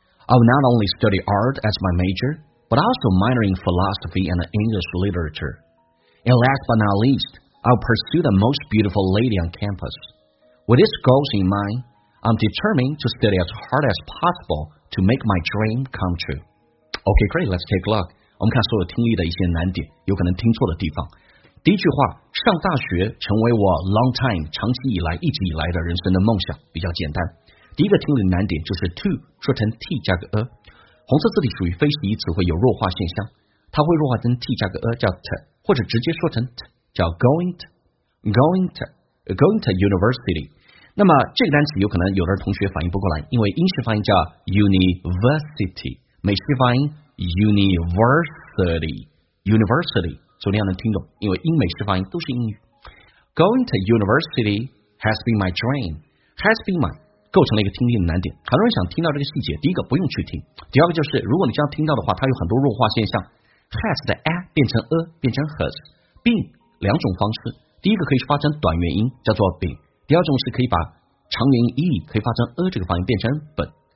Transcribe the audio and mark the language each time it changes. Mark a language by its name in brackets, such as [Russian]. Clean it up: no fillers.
[English] I would not only study art as my major,but also minor in philosophy and English literature. And last but not least, I'll pursue the most beautiful lady on campus. With these goals in mind, I'm determined to study as hard as possible to make my dream come true. Okay, great, let's take a look. [Chinese] 我们看所有听力的一些难点，有可能听错的地方。第一句话，上大学成为我 [English] long time, [Chinese] 长期以来，一直以来的人生的梦想，比较简单。第一个听力难点就是 to, 说成 t 加个 a。红色字体属于非习义词，会有弱化现象，它会弱化成 t 加个 a 叫 t， 或者直接说成 t 叫 [English] going to university。 [Chinese] 那么这个单词有可能有的同学反应不过来，因为英式发音叫 university， 美式发音 university， 所以你要能听懂，因为英美式发音都是英语。 [English] Going to university has been my dream， has been my [Chinese] 构成了一个听力的难点。很多人想听到这个细节，第一个不用去听，第二个就是如果你这样听到的话，它有很多弱化现象。 has 的 a 变成 a 变成 has been 两种方式，第一个可以发成短元音叫做 been， 第二种是可以把长元音 e 可以发成 a 这个发音变成 been。